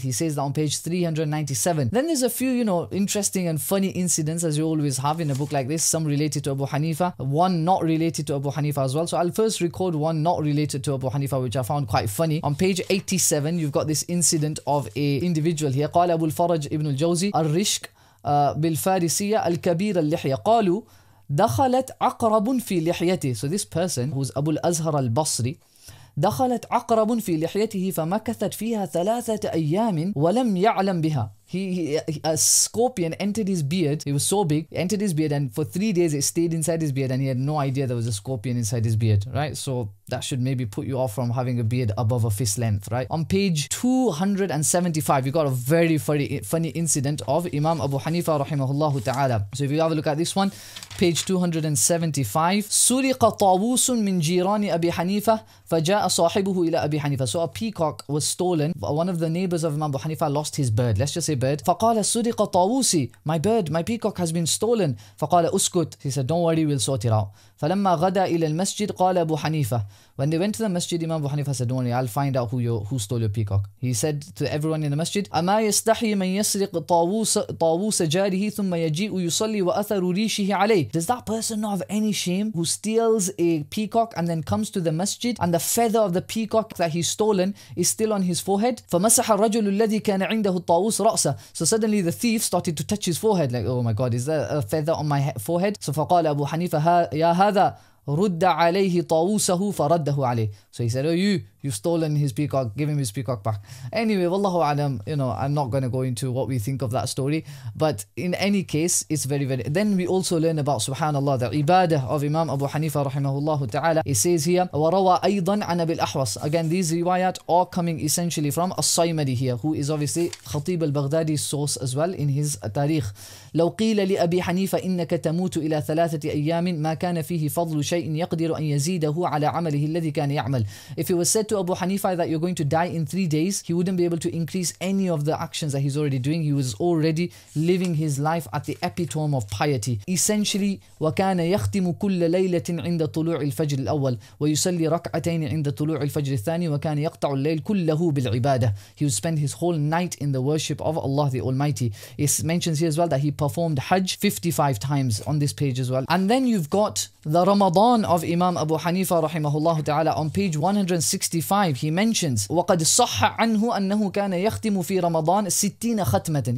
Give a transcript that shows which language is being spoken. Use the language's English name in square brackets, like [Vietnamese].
[English] He says that on page 397. Then there's a few, you know, interesting and funny incidents as you always have in a book like this, some related to Abu Hanifa, one not related to Abu Hanifa as well. So I'll first record one not related to Abu Hanifa, which I found quite funny. On page 87, you've got this incident of a individual here. [Arabic] قال أبو الفرج ابن الجوزي الرشق بالفارسية الكبير اللحية قالوا دخلت عقرب في لحيته. [English] So this person who's [Arabic] Abu al-Azhar al-Basri, دخلت عقرب في لحيته فمكثت فيها ثلاثة أيام ولم يعلم بها. [English] A scorpion entered his beard. It was so big. It entered his beard and for 3 days it stayed inside his beard and he had no idea there was a scorpion inside his beard, right? So that should maybe put you off from having a beard above a fist length, right? On page 275, you got a very funny incident of Imam Abu Hanifa rahimahullahu ta'ala. So if you have a look at this one, page 275. [Arabic] سُرِقَ طَاوُوسٌ مِنْ جِيرَانِ أَبِي حَنِيفَةَ فَجَاءَ صَاحِبُهُ إِلَى أَبِي حَنِيفَةَ. [English] So a peacock was stolen. One of the neighbors of Imam Abu Hanifa lost his bird. Let's just say bird. [Arabic] فَقَالَ سُرِقَ طَاوُوسِ. [English] My bird, my peacock has been stolen. [Arabic] فَقَالَ أُسْكُتْ. [English] He said, don't worry, we'll sort it out. [Arabic] فَلَمَّا غَدَى إِلَى الْمَسْجِدِ قَالَ أَبُو حَنِيفَةَ. [English] When they went to the masjid, Imam Abu Hanifa said, don't worry, I'll find out who stole your peacock. He said to everyone in the masjid, [Arabic] أَمَا يَسْتَحِي مَنْ يَسْرِقْ طَاوُوسَ جَارِهِ ثُمَّ يَجِئُ يُصَلِّي وَأَثَرُ رِيشِهِ عَلَيْهِ. [English] Does that person not have any shame who steals a peacock and then comes to the masjid and the feather of the peacock that he's stolen is still on his forehead? [Arabic] فَمَسَحَ الرَّجُلُ الَّذِي كَانَ عِنْدَهُ الطَّاوُوسَ رَأْسَهُ. [English] So suddenly the thief started to touch his forehead like, oh my God, is there a feather on my forehead? [Arabic] So فَقَالَ أَبُو حَنِيفَةَ يَا هَذَا رد عليه طاووسه فرده عليه. [English] So he said, oh, you've stolen his peacock, give him his peacock back. Anyway, wallahu alam, you know, I'm not going to go into what we think of that story, but in any case it's very, very. Then we also learn about subhanallah the ibadah of Imam Abu Hanifa rahimahullahu ta'ala. He says here, [Arabic] وَرَوَى أَيْضًا عَنَ بِالْأَحْوَصِ. [English] Again, these riwayat are coming essentially from As-Saymadi here, who is obviously Khatib al-Baghdadi's source as well in his tariq. [Arabic] لَوْ قِيلَ لِأَبِي حَنِيفَ إِنَّكَ تَمُوتُ إِلَى ثَلَاثَةِ أَيَّامٍ مَا كَانَ فِيهِ فَضْلُ شَيْءٍ يَقْدِرُ أَنْ يَزِيدَهُ عَلَى عَمَلِهِ الَّذِي كَانَ يَعْمَلُ. [English] If it was said to Abu Hanifa that you're going to die in 3 days, he wouldn't be able to increase any of the actions that he's already doing. He was already living his life at the epitome of piety. [Arabic] Essentially, وَكَانَ يَخْتِمُ كُلَّ لَيْلَةٍ عِنْدَ طُلُوعِ الْفَجْرِ الْأَوَّلِ وَيُصَلِّي رَكْعَتَيْنِ عِنْدَ طُلُوعِ الْفَجْرِ الثَّانِي وَكَانَ يَقْطَعُ اللَّيْلَ كُلَّهُ بِالْعِبَادَةِ. [English] He would spend his whole night in the worship of Allah the Almighty. It mentions here as well that he performed Hajj 55 times on this page as well. And then you've got the Ramadan. Al-Juman of Imam Abu Hanifa rahimahullahu ta'ala, on page 165, he mentions, [Arabic] وَقَدْ صَحَّ عَنْهُ أَنَّهُ كَانَ يَخْتِمُ فِي رَمَضَانَ 60 خَتْمَةً.